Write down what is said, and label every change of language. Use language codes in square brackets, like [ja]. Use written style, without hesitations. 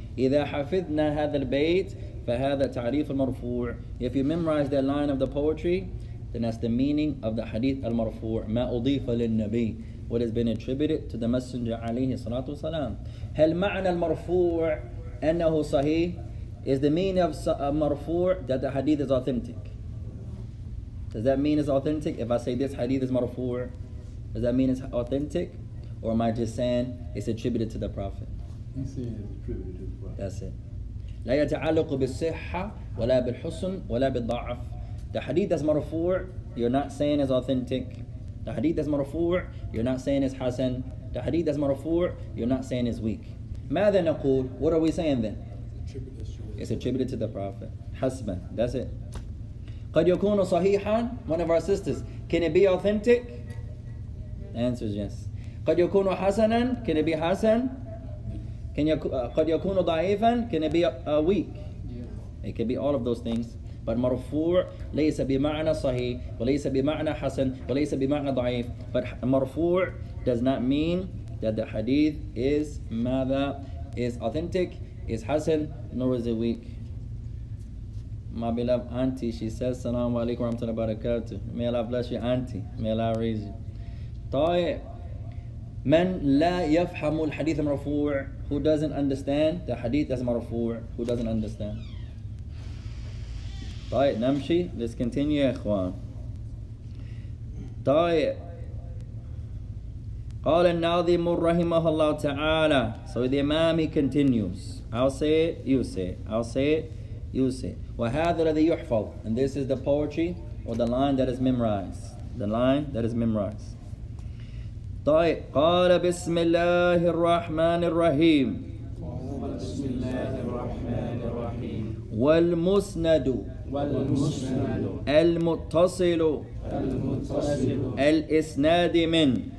[ar] إذا حفظنا هذا البيت فهذا تعريف المرفوع. [en] If you memorize that line of the poetry, then that's the meaning of the hadith المرفوع. [ar] ما أضيف للنبي. [en] What has been attributed to the messenger عليه الصلاة والسلام. [ar] هل معنى المرفوع أنه صحيح? [en] Is the meaning of مرفوع that the hadith is authentic? Does that mean it's authentic? If I say this hadith is مرفوع, does that mean it's authentic? Or am I just saying it's attributed to the Prophet? He's saying it's attributed to the Prophet. That's it. [ar] لا يتعلق بالصحة ولا بالحسن ولا بالضعف. [en] The hadith is مرفوع, you're not saying it's authentic. The hadith is مرفوع, you're not saying it's حسن. The hadith is مرفوع, you're not saying it's weak. [ar] ماذا نقول? [en] What are we saying then? It's attributed to the Prophet. حسبا. That's it. [ar] قد يكون صحيحا. [en] One of our sisters. Can it be authentic? The answer is yes. [ar] قد يكون حسنا, can it be حسن? قد يكون ضعيفا, [en] can it be weak? Yeah. It can be all of those things. [ar] But مرفوع ليس بمعنى صحيح وليس بمعنى حسن وليس بمعنى ضعيف. [en] But مرفوع does not mean that the hadith is ماذا? Is authentic, is حسن, nor is it weak. My beloved auntie, she says, Assalamu alaikum wa rahmatullahi wa barakatuh. May Allah bless you, auntie. May Allah raise you. [ar] من لا يفهم الحديث المرفوع. [en] Who doesn't understand the hadith as مرفوع? Who doesn't understand? [ar] طيب نمشي. [en] Let's continue [ar] يا إخوان. طيب قال الناظم رحمه الله تعالى. [en] So the imam, he continues. I'll say it, you say it. I'll say it, you say it. [ar] وهذا الذي يحفظ. [en] And this is the poetry or the line that is memorized. The line that is memorized. [ar] طيب قال بسم الله الرحمن الرحيم بسم الله الرحمن الرحيم والمسند والمسند المتصل المتصل الإسناد من